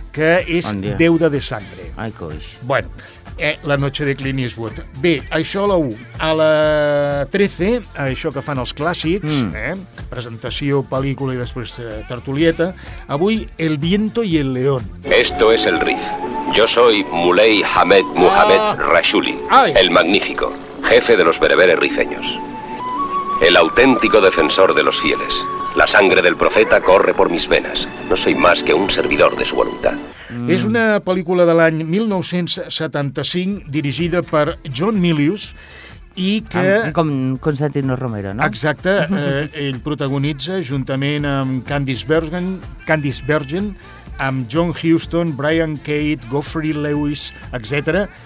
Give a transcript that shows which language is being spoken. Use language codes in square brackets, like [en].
[ca] Que és bon Deuda de Sangre. Ai, coix. Bueno, La Noche de Clint Eastwood. Bé, això a la 1. A la 13, això que fan els clàssics, presentació, pel·lícula i després tertulieta, avui El Viento y el León. [es] Esto es el Rif. Yo soy Muley Hamed Muhammed Rashuli, el magnífico, jefe de los bereberes rifeños. El auténtico defensor de los fieles. La sangre del profeta corre por mis venas. No soy más que un servidor de su voluntad. [ca] És una pel·lícula de l'any 1975, dirigida per John Milius, i que... Com Constantino Romero, no? Exacte. Ell protagonitza, juntament amb Candice Bergen, amb John Huston, Brian Cade, Geoffrey Lewis, etc.